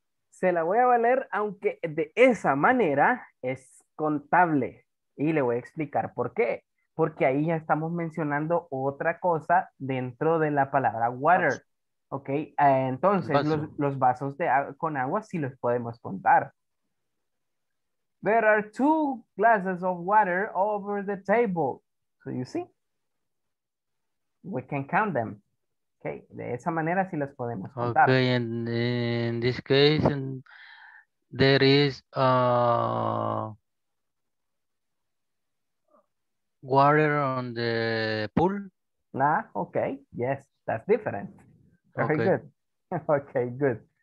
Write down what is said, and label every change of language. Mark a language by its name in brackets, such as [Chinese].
[Spanish] Se la voy a valer, aunque de esa manera es contable. Y le voy a explicar por qué. Porque ahí ya estamos mencionando otra cosa dentro de la palabra water. Ok, entonces los vasos de agua, con agua sí los podemos contar. [English] There are two glasses of water over the table. So you see, we can count them. [Spanish] Okay, de esa manera sí las podemos contar. [English] Okay, in this case, there is a water on the pool. Nah, okay, yes, that's different. Very okay. Good. Okay, good.